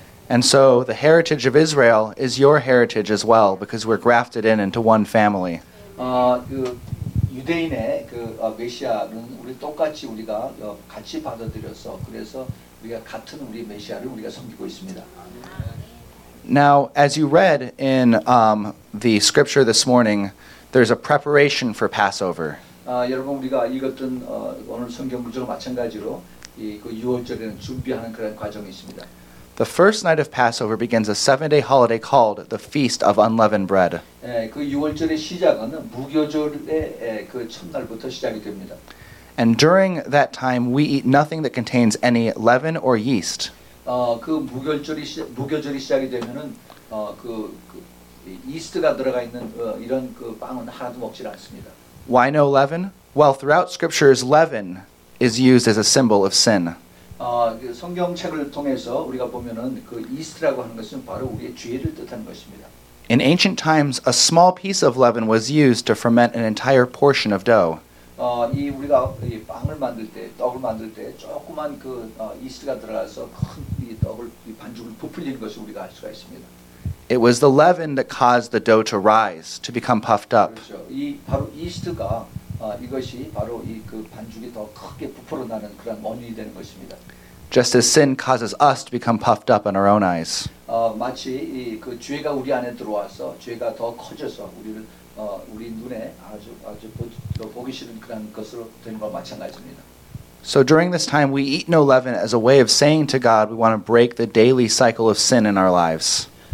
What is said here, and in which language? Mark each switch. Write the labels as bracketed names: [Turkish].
[English] And so the heritage of Israel is your heritage as well, because we're grafted in into one family. [Korean] 유대인의 메시아는 우리 똑같이 우리가 같이 받아들여서 그래서 우리가 같은 우리 메시아를 우리가 섬기고 있습니다. [English] Now, as you read in the scripture this morning, there's a preparation for Passover. [Korean] 여러분 우리가 읽었던 오늘 성경 구절 마찬가지로 이 그 유월절에는 준비하는 그런 과정이 있습니다. [English] The first night of Passover begins a seven-day holiday called the Feast of Unleavened Bread. [Korean] 그 유월절의 시작은 무교절의 그 첫날부터 시작이 됩니다. [English] And during that time, we eat nothing that contains any leaven or yeast. [Korean] 그 무교절이 시작이 되면은 그 이스트가 들어가 있는 이런 그 빵은 하나도 먹지 않습니다. [English] Why no leaven? Well, throughout scriptures, leaven is used as a symbol of sin. [Korean] 성경책을 통해서 우리가 보면은 그 이스트라고 하는 것은 바로 우리의 죄를 뜻하는 것입니다. [English] In ancient times, a small piece of leaven was used to ferment an entire portion of dough. [Korean] 이 우리가 이 빵을 만들 때, 떡을 만들 때 조그만 그 이스트가 들어가서 큰 이 떡을 이 반죽을 부풀리는 것을 우리가 알 수가 있습니다. [English] It was the leaven that caused the dough to rise, to become puffed up. [Korean] 그렇죠. 이 바로 이스트가 이것이 바로 이 그 반죽이 더 크게 부풀어나는 그런 원인이 되는 것입니다. [English] Just as sin causes us to become puffed up in our own eyes. [Korean] 마치 이 그 죄가 우리 안에 들어와서 죄가 더 커져서 우리를 우리 눈에 아주 더 보기 싫은 그런 것으로 되는 것 마찬가지입니다. [English] So during this time, we eat no leaven as a way of saying to God, we want to break the daily cycle of sin in our lives.